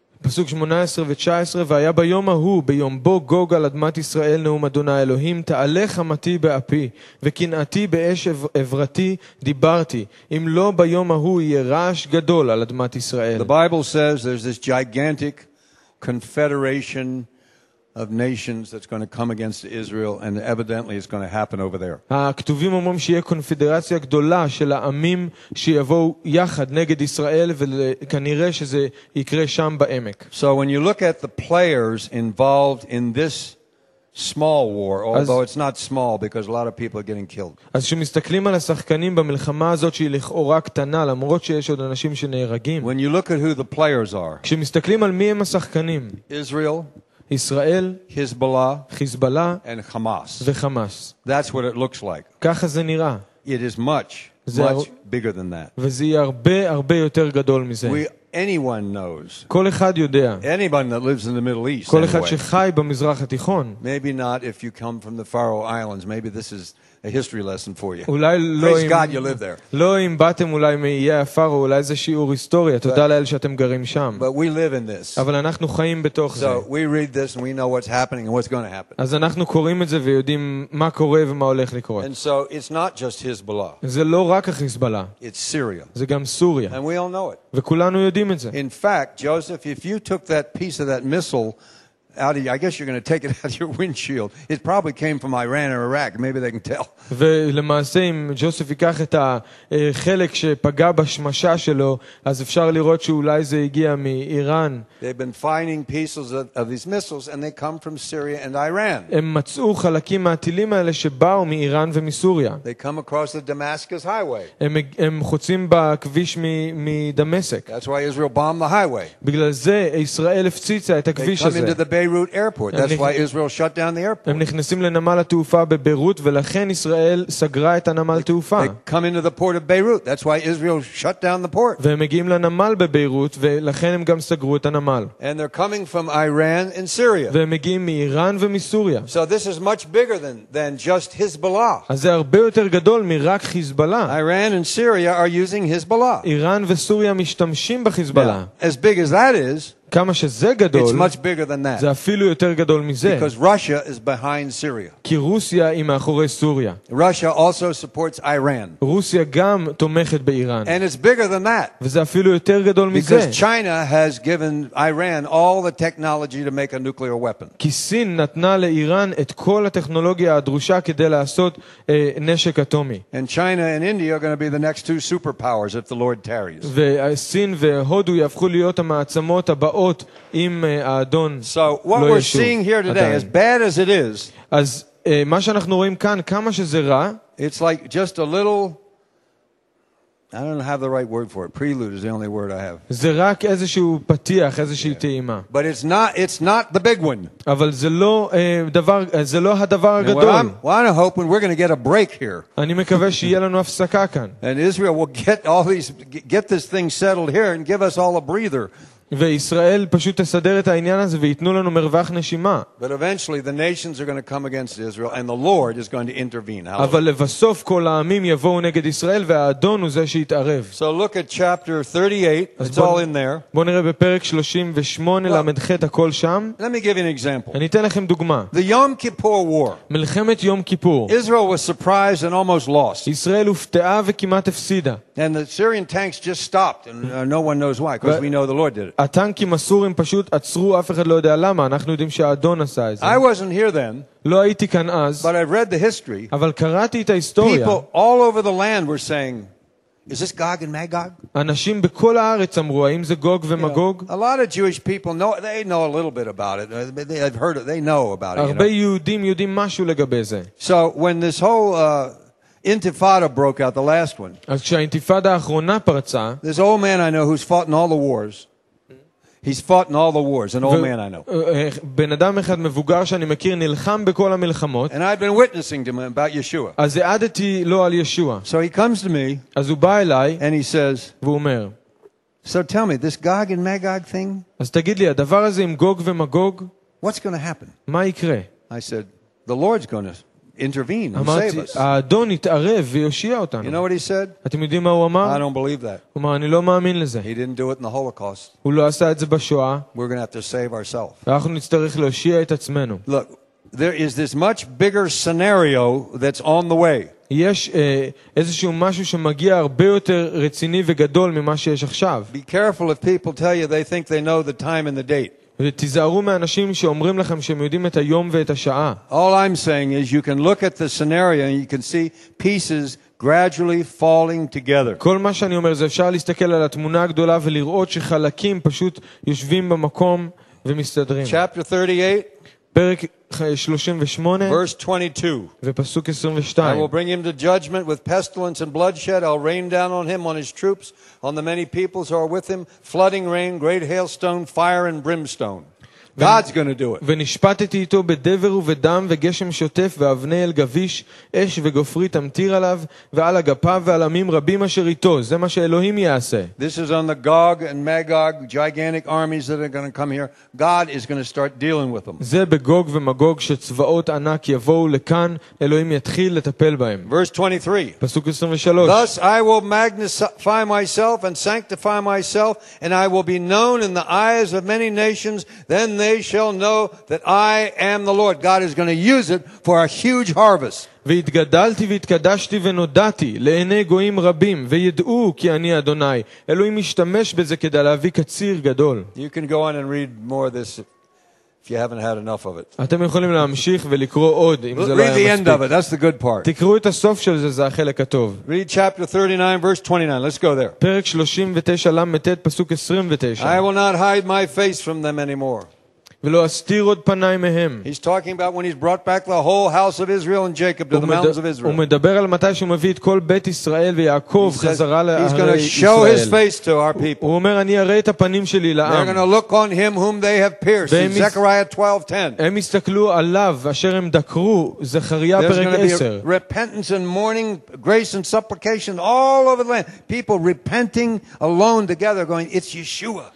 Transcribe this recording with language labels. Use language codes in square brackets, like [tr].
[he] פסוק 18 ו-19, והיה ביום ההוא, ביום בו גוג על אדמת ישראל, נאום אדוני אלוהים, תעלה חמתי באפי, וקנאתי באש עברתי דיברתי, אם לא ביום ההוא יהיה רעש גדול על אדמת ישראל. [en] The Bible says there's this gigantic confederation of nations that's going to come against Israel, and evidently it's going to happen over there. [he] הכתובים אומרים שיהיה קונפדרציה גדולה של העמים שיבואו יחד נגד ישראל, וכנראה שזה יקרה שם בעמק. [en] So when you look at the players involved in this small war, although it's not small because a lot of people are getting killed. [he] אז כשמסתכלים על השחקנים במלחמה הזאת שהיא לכאורה קטנה, למרות שיש עוד אנשים שנהרגים. [en] When you look at who the players are. [he] כשמסתכלים על מי הם השחקנים. [en] Israel, [he] ישראל, [en] Hezbollah, and Hamas. [he] וחמאס. [en] That's what it looks like. [he] ככה זה נראה. [en] It is much bigger than that. [he] וזה הרבה הרבה יותר גדול מזה. [en] Anyone knows. [he] כל אחד יודע. [en] Anyone that lives in the Middle East. [he] כל אחד שחי במזרח התיכון. [en] Maybe not if you come from the Faroe Islands. Maybe this is a history lesson for you. [he] אולי לא אם [en] Praise God you live there. [he] לא אם באתם אולי מאיי הפארו, אולי זה שיעור היסטוריה. תודה לאל שאתם גרים שם. [en] But we live in this. [he] אבל אנחנו חיים בתוך זה. [en] So we read this and we know what's happening and what's going to happen. [he] אז אנחנו קוראים את זה ויודעים מה קורה ומה הולך לקרות. [en] And so it's not just Hezbollah. [he] זה לא רק החיזבאללה. [en] It's Syria. [he] זה גם סוריה. [en] And we all know it. [he] וכולנו יודעים את זה. [en] In fact, Joseph, if you took that piece of that missile out of, I guess you're going to take it out of your windshield. It probably came from Iran or Iraq. Maybe they can tell. [he] ולמעשה, אם ג'וסף ייקח את החלק שפגע בשמשה שלו, אז אפשר לראות שאולי זה הגיע מאיראן. [en] They've been finding pieces of these missiles, and they come from Syria and Iran. [he] הם מצאו חלקים מהטילים האלה שבאו מאיראן ומסוריה. [en] They come across the Damascus highway. [he] הם חוצים בכביש מדמשק. [en] That's why Israel bombed the highway. [he] בגלל זה ישראל הפציצה את הכביש הזה. [en] The Beirut airport. That's why Israel shut down the airport. [he] הם נכנסים לנמל התעופה בבירות, ולכן ישראל סגרה את הנמל התעופה. [en] They come into the port of Beirut. That's why Israel shut down the port. [he] והם מגיעים לנמל בבירות, ולכן הם גם סגרו את הנמל. [en] And they're coming from Iran and Syria. [he] והם מגיעים מאיראן ומסוריה. [en] So this is much bigger than just Hezbollah. [he] אז זה הרבה יותר גדול מרק חיזבאללה. [en] Iran and Syria are using Hezbollah. [he] איראן וסוריה משתמשים בחיזבאללה. [en] As big as that is. [he] כמה שזה גדול, [en] it's much bigger than that. [he] זה אפילו יותר גדול מזה. [en] Because Russia is behind Syria. [he] כי רוסיה היא מאחורי סוריה. [en] Russia also supports Iran. [he] רוסיה גם תומכת באיראן. [en] And it's bigger than that. [he] וזה אפילו יותר גדול מזה. [en] Because China has given Iran all the technology to make a nuclear weapon. [he] כי סין נתנה לאיראן את כל הטכנולוגיה הדרושה כדי לעשות נשק אטומי. [en] And China and India are going to be the next two superpowers if the Lord tarries. [he] וסין והודו יהפכו להיות המעצמות הבאות. [en] So what we're seeing here today, as bad as it is, [he] אז מה שאנחנו רואים כאן, כמה שזה רע, [en] it's like just a little, I don't have the right word for it. Prelude is the only word I have. [he] זה רק איזשהו פתיח, איזושהי טעימה. [en] But it's not the big one. [he] אבל זה לא הדבר הגדול. [en] Well, I hope we're going to get a break here. [he] אני מקווה שיהיה לנו הפסקה כאן. [en] And Israel will get this thing settled here and give us all a breather. [he] וישראל פשוט תסדר את העניין הזה ויתנו לנו מרווח נשימה. [en] But eventually the nations are going to come against Israel and the Lord is going to intervene. [he] אבל לבסוף כל העמים יבואו נגד ישראל והאדון הוא זה שיתערב. [en] So look at chapter 38. It's all in there. [he] בוא נראה בפרק 38 למדח את הכל שם. [en] Let me give you an example. [he] אני אתן לכם דוגמה. [en] The Yom Kippur War. [he] מלחמת יום כיפור. [en] Israel was surprised and almost lost. [he] ישראל הופתעה וכמעט הפסידה. [en] And the Syrian tanks just stopped and no one knows why because we know the Lord did it. [he] הטנקים הסורים פשוט עצרו, אף אחד לא יודע למה, אנחנו יודעים שהאדון עשה את זה. [en] I wasn't here then. [he] לא הייתי כאן אז. [en] But I read the history. [he] אבל קראתי את ההיסטוריה. [en] People all over the land were saying, is this Gog and Magog? [he] אנשים בכל הארץ אמרו, האם זה גוג ומגוג? [en] A lot of Jewish people know, they know a little bit about it. They've heard it, they know about it. [he] הרבה יהודים יודעים משהו לגבי זה. [en] So when this whole Intifada broke out, the last one. [he] אז כשהאינתיפאדה האחרונה פרצה. [en] This old man I know who's fought in all the wars. He's fought in all the wars, an old man I know. [he] בן אדם אחד מבוגר שאני מכיר נלחם בכל המלחמות. [en] And I've been witnessing to him about Yeshua. [he] אז העדתי לו על ישוע. [en] So he comes to me. [he] אז הוא בא אליי. [en] And he says, [he] והוא אומר, [en] so tell me, this Gog and Magog thing? [he] אז תגיד לי, הדבר הזה עם גוג ומגוג? [en] What's going to happen? [he] מה יקרה? [en] I said, the Lord's going to intervene and save us. [he] האדון יתערב ויושיע אותנו. [en] You know what he said? [he] אתם יודעים מה הוא אמר? [en] I don't believe that. [he] הוא אמר, אני לא מאמין לזה. [en] He didn't do it in the Holocaust. [he] הוא לא עשה את זה בשואה. [en] We're going to have to save ourselves. [he] אנחנו נצטרך להושיע את עצמנו. [en] Look, there is this much bigger scenario that's on the way. [he] יש איזשהו משהו שמגיע הרבה יותר רציני וגדול ממה שיש עכשיו. [en] Be careful if people tell you they think they know the time and the date. [he] ותיזהרו מאנשים שאומרים לכם שהם יודעים את היום ואת השעה. [en] All I'm saying is you can look at the scenario and you can see pieces gradually falling together. [he] כל מה שאני אומר זה אפשר להסתכל על התמונה הגדולה ולראות שחלקים פשוט יושבים במקום ומסתדרים. [en] Chapter 38. [he] פרק 38. [en] Verse 22. [he] ופסוק 22. [en] I will bring him to judgment with pestilence and bloodshed. I'll rain down on him, on his troops, on the many peoples who are with him, flooding rain, great hailstone, fire and brimstone. God's going to do it. [he] ונשפטתי איתו בדבר ובדם וגשם שוטף ואבני אל גביש, אש וגופרית אמטיר עליו ועל הגפיו ועל עמים רבים אשר איתו. זה מה שאלוהים יעשה. [en] This is on the Gog and Magog, gigantic armies that are going to come here. God is going to start dealing with them. [he] זה בגוג ומגוג שצבאות ענק יבואו לכאן, אלוהים יתחיל לטפל בהם. [en] Verse 23. [he] פסוק 23. [en] Thus I will magnify myself and sanctify myself and I will be known in the eyes of many nations. Then they shall know that I am the Lord. God is going to use it for a huge harvest. [he] והתגדלתי והתקדשתי ונודעתי לעיני גויים רבים וידעו כי אני אדוני. אלוהים משתמש בזה כדי להביא קציר גדול. [en] You can go on and read more of this if you haven't had enough of it. [he] אתם יכולים להמשיך ולקרוא עוד אם זה לא מספיק. [en] Read the end of it. That's the good part. [he] תקראו את הסוף של זה, זה החלק הטוב. [en] Read chapter 39 verse 29. Let's go there. [he] פרק 39 למתת פסוק 29. [en] I will not hide my face from them anymore. [he] ולא אסתיר עוד פניי מהם. [en] He's talking about when he's brought back the whole house of Israel and Jacob to the mountains of Israel. [he] הוא מדבר על מתי שהוא מביא את כל בית ישראל ויעקב חזרה לארץ ישראל. [en] He's going to show his face to our people. [he] הוא אומר אני אראה את הפנים שלי לעם. [en] They're going to look on him whom they have pierced. In Zechariah 12:10. [he] הם יסתכלו עליו אשר הם דקרו, זכריה פרק 10. [en] There's going to be repentance and mourning, grace and supplication all over the land. People repenting alone together going it's Yeshua.